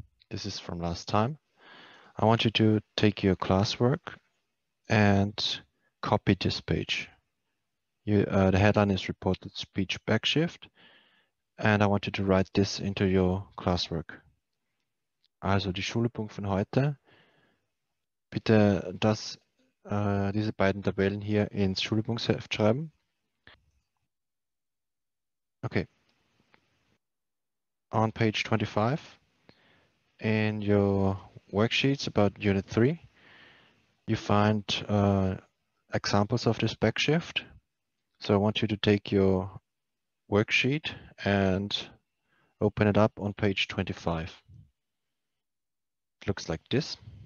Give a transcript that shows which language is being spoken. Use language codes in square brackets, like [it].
[en] This is from last time. I want you to take your classwork and copy this page. The headline is reported speech backshift. And I want you to write this into your classwork. [de] Also die Schulübung von heute. Bitte diese beiden Tabellen hier ins Schulübungsheft schreiben. Okay. [en] On page 25, in your worksheets about unit 3, you find examples of this backshift. So I want you to take your worksheet and open it up on page 25. It looks like this.